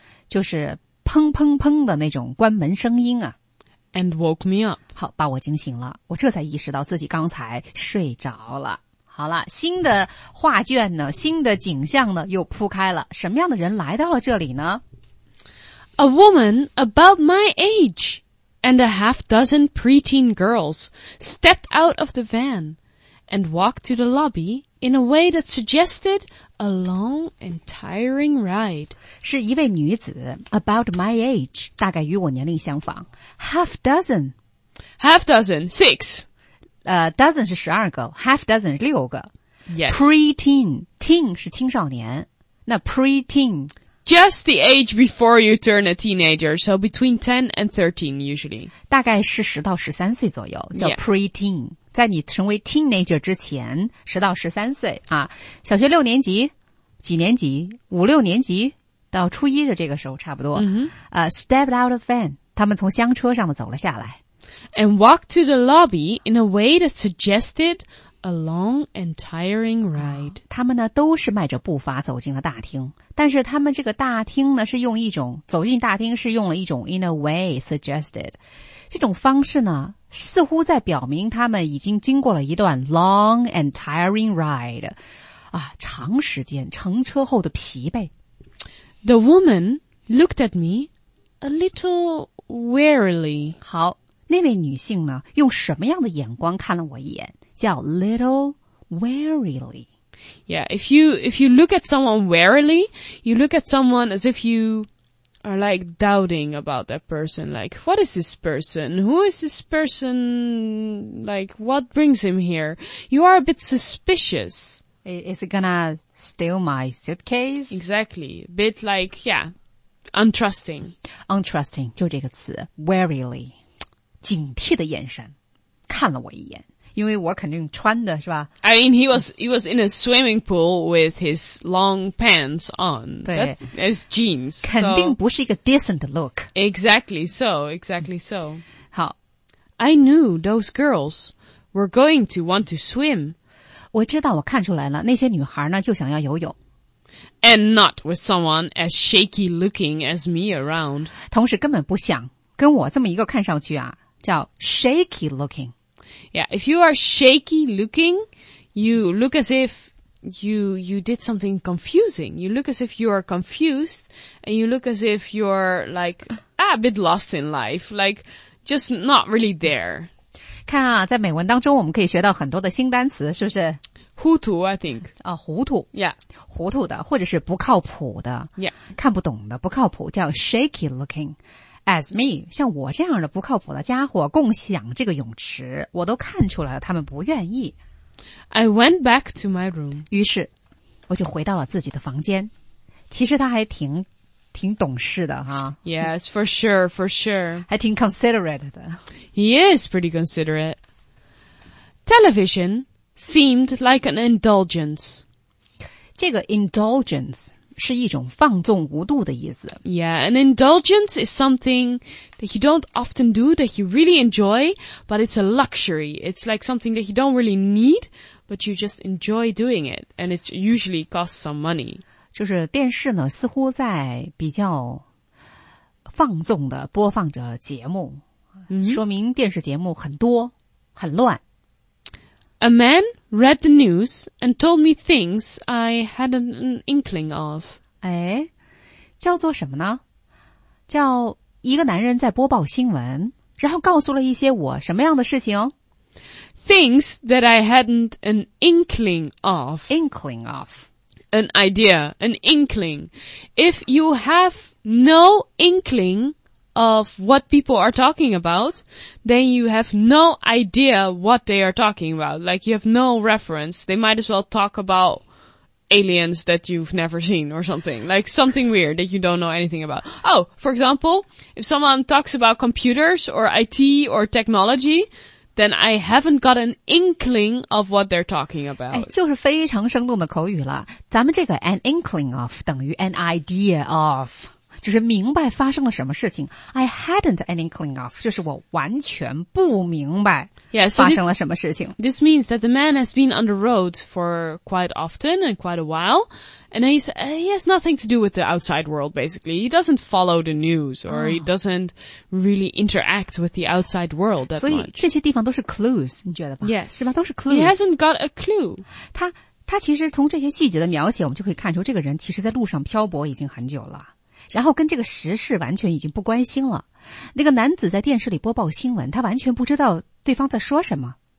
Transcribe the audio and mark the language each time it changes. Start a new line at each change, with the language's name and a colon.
Chinese: 就是砰砰砰的那种关门声音啊
English: ，and woke me up，
Chinese: 好把我惊醒了，我这才意识到自己刚才睡着了。好了，新的画卷呢，新的景象呢又铺开了。什么样的人来到了这里呢
English: ？A woman about my age and a half dozen preteen girls stepped out of the van and walked to the lobby in a way that suggested. A long and tiring ride.
Chinese: 是一位女子
English: about my age,
Chinese: 大概与我年龄相仿
English: half dozen. Half dozen, six. Dozen
Chinese: 是十二个
English: half dozen
Chinese: 是六个。
English: Yes. Pre-teen, teen
Chinese: 是青少年。那
English: pre-teen. Just the age before you turn a teenager, so between 10 and 13 usually.
Chinese: 大概是十到十三岁左右叫
English: pre-teen。 Yeah.
Chinese: 在你成为
English: teenager
Chinese: 之前十到十三岁啊，小学六年级几年级五六年级到初一的这个时候差不多、 mm-hmm.
English: Stepped out of the van
Chinese: 他们从厢车上走了下来
English: And walked to the lobby in a way that suggested a long and tiring ride、
Chinese: 他们呢都是迈着步伐走进了大厅但是他们这个大厅呢是用一种走进大厅是用了一种
English: in a way suggested
Chinese: 这种方式呢似乎在表明他们已经经过了一段
English: long and tiring ride,
Chinese: 啊，长时间乘车后的疲惫。
English: The woman looked at me a little wearily.
Chinese: 好，那位女性呢，用什么样的眼光看了我一眼？叫
English: little wearily. Yeah, if you look at someone wearily, you look at someone as if you... are like doubting about that person, like, what is this person? Who is this person? Like, what brings him here? You are a bit suspicious. Is it gonna steal my suitcase? Exactly. A bit like, yeah, untrusting. Untrusting,
Chinese: 就这个词
English: warily,
Chinese: 警惕的眼神看了我一眼。因为我肯定穿的是吧
English: I mean, he was in a swimming pool with his long pants on.
Chinese: 对
English: as jeans.
Chinese: 肯定不是一个
English: decent look. Exactly so.
Chinese: 好。
English: I knew those girls were going to want to swim.
Chinese: 我知道我看出来了那些女孩呢就想要游泳。
English: And not with someone as shaky looking as me around.
Chinese: 同时根本不想跟我这么一个看上去啊叫
English: shaky looking. Yeah, if you are shaky looking, you look as if you did something confusing. You look as if you are confused, and you look as if you're like, a bit lost in life, like, just not really there.
Chinese: 看啊，在美文当中我们可以学到很多的新单词，是不是？糊涂
English: I think.
Chinese: 啊，糊涂。
English: Yeah.
Chinese: 糊涂的，或者是不靠谱的。
English: Yeah.
Chinese: 看不懂的，不靠谱，叫
English: shaky looking. As me,
Chinese: 像我这样的不靠谱的家伙共享这个泳池我都看出来了他们不愿意。
English: I went back to my room.
Chinese: 于是我就回到了自己的房间。其实他还挺懂事的哈。
English: Yes, for sure, for sure.
Chinese: 还挺
English: considerate
Chinese: 的。
English: He is pretty considerate. Television seemed like an indulgence.
Chinese: 这个
English: indulgence,
Chinese: 是一种放纵无度的意思。
English: Yeah, an indulgence is something that you don't often do, that you really enjoy, but it's a luxury. It's like something that you don't really need, but you just enjoy doing it, and it usually costs some money.
Chinese: 就是电视呢，似乎在比较放纵的播放着节目，mm-hmm. 说明电视节目很多，很乱。
English: A man read the news and told me things I had an inkling of.
Chinese: 哎，叫做什么呢？叫一个男人在播报新闻，然后告诉了一些我什么样的事情？
English: Things that I hadn't an inkling of. Inkling of. An idea, an inkling. If you have no inkling... of what people are talking about, then you have no idea what they are talking about. Like, you have no reference. They might as well talk about aliens that you've never seen or something. Like, something weird that you don't know anything about. Oh, for example, if someone talks about computers or IT or technology, then I haven't got an inkling of what they're talking about.
Chinese: 哎，就是非常生动的口语了。咱们这个
English: an inkling of
Chinese: 等于
English: an idea of...
Chinese: 就是明白发生了什么事情
English: I hadn't an inkling of
Chinese: 就是我完全不明白发生了什么事情
English: yeah,、so、this means that the man has been on the road for quite often and quite a while and he has nothing to do with the outside world basically he doesn't follow the news or he doesn't really interact with the outside world that much
Chinese: 所以这些地方都是
English: clues
Chinese: 你觉得吧
English: yes
Chinese: 是吧都是
English: clues he hasn't got a clue
Chinese: 他其实从这些细节的描写我们就可以看出这个人其实在路上漂泊已经很久了然后跟这个时事完全已经不关心了。那个男子在电视里播报新闻，他完全不知道对方在说什么。